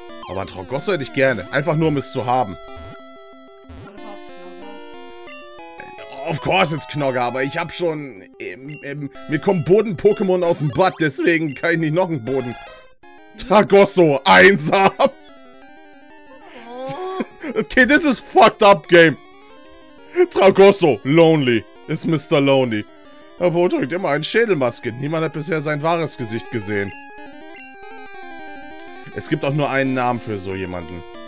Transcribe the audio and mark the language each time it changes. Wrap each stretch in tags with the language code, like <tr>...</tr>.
<de>Aber ein Tragosso hätte ich gerne. Einfach nur, um es zu haben.</de> <en>Of course,</en> <de>jetzt Knogger, aber ich hab schon. Mir kommen Boden-Pokémon aus dem Butt, deswegen kann ich nicht noch einen Boden. Tragosso, einsam!</de> <en>Okay, this is fucked up, Game.</en> <de>Tragosso, lonely, ist Mr. Lonely. Er wohl trägt immer eine Schädelmaske. Niemand hat bisher sein wahres Gesicht gesehen. Es gibt auch nur einen Namen für so jemanden.</de>